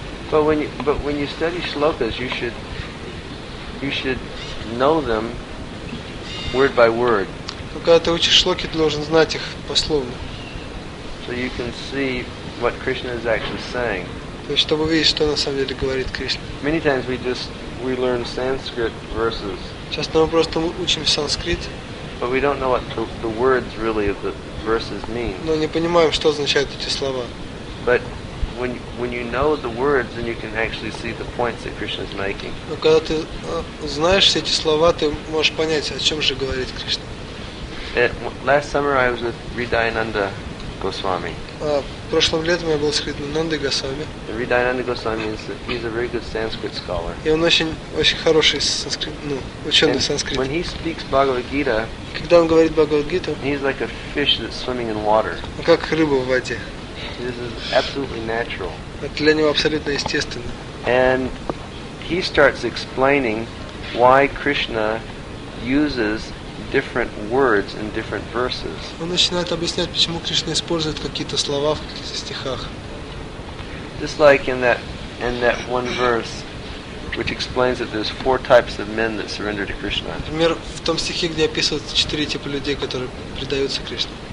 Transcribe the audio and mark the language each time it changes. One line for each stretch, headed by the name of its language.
English: But when you study shlokas, you should know them word by word.
Russian: Но когда ты учишь шлоки, ты должен знать их пословно.
English: So you can see what Krishna is actually saying.
Russian: То есть чтобы видеть, что на самом деле говорит Кришна.
English: Many times we learn Sanskrit verses.
Russian: Часто мы просто учим санскрит.
English: But we don't know what the words really of the verses mean.
Russian: Но не понимаем, что означают эти слова.
English: But when you know the words, then you can actually see the points that Krishna is making.
Russian: Но когда ты знаешь все эти слова, ты можешь понять, о чем же говорит Кришна.
English: Last summer I was with Ridayananda Goswami.
Russian: Прошлым летом я был с Ридаянандой Госвами.
English: Ridayananda Goswami is a very good Sanskrit scholar.
Russian: И он очень хороший санскрит, ну, ученый санскрит.
English: When he speaks Bhagavad Gita,
Russian: когда он говорит Бхагавад Гиту,
English: he's like a fish that's swimming in water.
Russian: Как рыба в воде.
English: This is absolutely natural.
Russian: Это для него абсолютно естественно.
English: And he starts explaining why Krishna uses different words in different verses.
Russian: Он начинает объяснять, почему Кришна использует какие-то слова в каких-то стихах.
English: Just like in that one verse, which explains that there's four types of men that surrender to Krishna.
Russian: Например, в том стихе, где описывается четыре типа людей, которые предаются Кришне.